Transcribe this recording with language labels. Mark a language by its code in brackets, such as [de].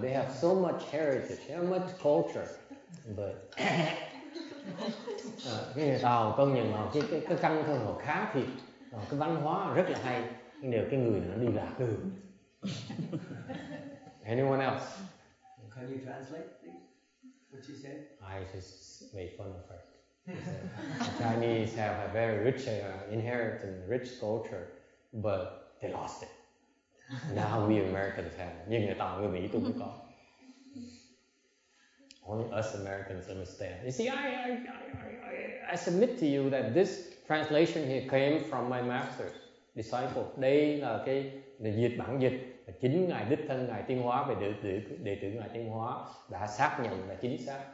[en] They have so much heritage, so much culture. But [vi] tàu công nhận họ cái căn thân họ khá thiệt, cái văn hóa rất là hay. Nhưng điều cái người nó đi lạc đường. [en] Anyone else? Can you translate what she said? I just made fun of her. The Chinese have a very rich inherited rich culture, but they lost it. Now we Americans have, [vi] nhưng người Tàu người Mỹ cũng có. [en] Only us Americans understand. You see, I submit to you that this translation here came from my master, disciple. [vi] Đây là cái dịch bản dịch là chính ngài đích thân ngài Tiên Hóa về đệ tử ngài Tiên Hóa đã xác nhận là chính xác.